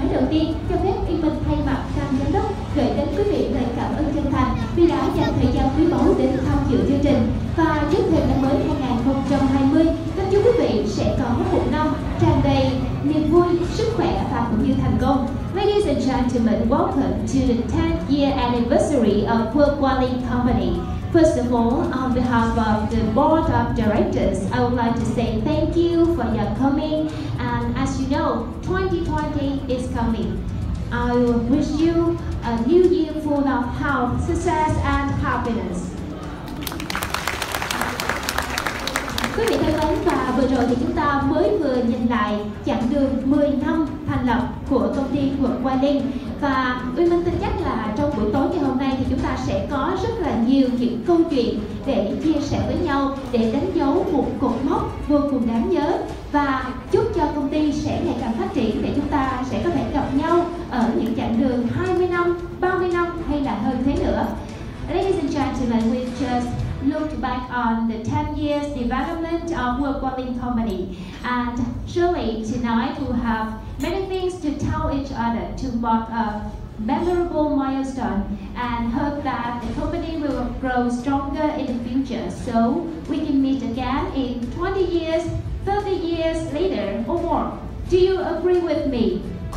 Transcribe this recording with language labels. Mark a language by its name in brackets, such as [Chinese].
[Vietnamese] đi, cho phép Uyên Minh thay mặt ban giám đốc gửi đến quý vị lời cảm ơn chân thành vì đã dành thời gian quý báu đến tham dự chương trình. Và trước thềm năm mới 2020, kính chúc quý vị sẽ có một năm tràn đầy niềm vui, sức khỏe và cũng như thành công. [English] Ladies and gentlemen, welcome to the 10th year anniversary of World Wallet Company. First of all, on behalf of the board of directors, I would like to say thank you for your coming. And as you know, 2020 is coming. I wish you a new year full of health, success and happiness. [Vietnamese] Quý vị thân mến, và vừa rồi thì chúng ta mới vừa nhìn lại chặng đường 10 năm thành lập của công ty World Wallet. Và Uyên Minh tin chắc là trong buổi tối ngày hôm nay thì chúng ta sẽ có rất là nhiều những câu chuyện để chia sẻ với nhau, để đánh dấu một cột mốc vô cùng đáng nhớ. Và chúc cho công ty sẽ ngày càng phát triển để chúng ta sẽ có thể gặp nhau ở những chặng đường 20 năm, 30 năm hay là hơn thế nữa. [English] Ladies and gentlemen, we just looked back on the 10 years development of World Wallet Company. And surely tonight we have many things to tell each other to mark a memorable milestone and hope that the company will grow stronger in the future so we can meet again in 20 years, 30 years later or more. Do you agree with me?